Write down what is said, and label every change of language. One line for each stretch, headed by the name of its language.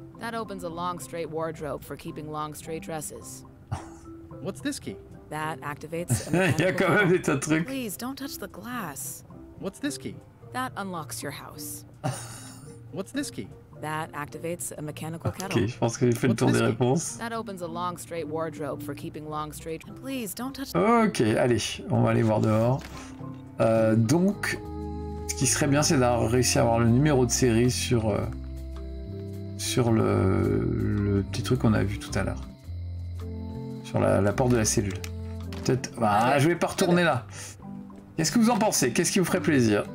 English: That opens a long straight wardrobe for keeping long straight dresses. What's this key? That activates a mechanical
French: Il y a quand même des tas de trucs.
English: Please don't touch the glass. What's this key? That unlocks your house. What's this key? That activates a mechanical kettle.
French: Ok, je pense qu'il fait le tour des réponses.
English: That opens a long straight wardrobe for keeping long straight. Please don't touch.
French: Ok, allez, on va aller voir dehors. Donc, ce qui serait bien, c'est d'avoir réussi à avoir le numéro de série sur le petit truc qu'on a vu tout à l'heure, sur la porte de la cellule. Peut-être. Bah, je vais pas retourner là. Qu'est-ce que vous en pensez? Qu'est-ce qui vous ferait plaisir?